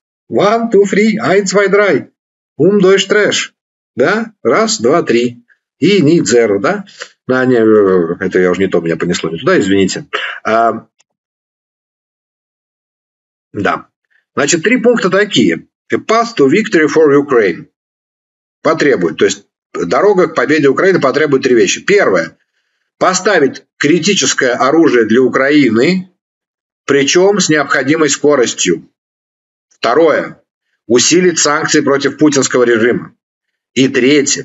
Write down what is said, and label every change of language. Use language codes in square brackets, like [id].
[en] One, two, three, [de] eins, zwei, drei. [en] Um, durch, trash. [ru] Да? Раз, два, три. И [de] nicht [ru] zero, да? Да, не, это я уже не то, меня понесло не туда, извините. Да. Значит, три пункта такие. [en] A path to victory for Ukraine. [ru] Потребует, то есть... Дорога к победе Украины потребует три вещи. Первое. Поставить критическое оружие для Украины, причем с необходимой скоростью. Второе. Усилить санкции против путинского режима. И третье.